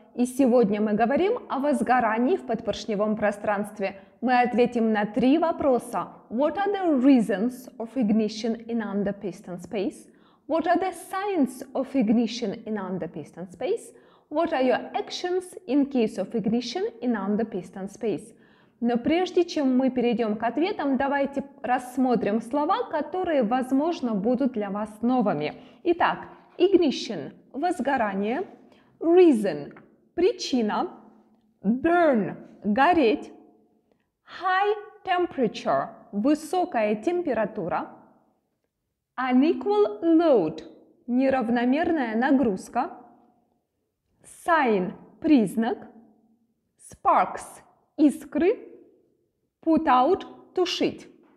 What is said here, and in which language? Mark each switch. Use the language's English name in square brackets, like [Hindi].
[Russian] И сегодня мы говорим о возгорании в подпоршневом пространстве. Мы ответим на три вопроса. [English] What are the reasons of ignition in underpiston space? What are the signs of ignition in underpiston space? What are your actions in case of ignition in underpiston space? [Russian] Но прежде чем мы перейдем к ответам, давайте рассмотрим слова, которые, возможно, будут для вас новыми. Итак, ignition – возгорание, reason – причина, burn – гореть, high temperature – высокая температура, unequal load – неравномерная нагрузка, sign – признак, sparks – искры, put out – тушить.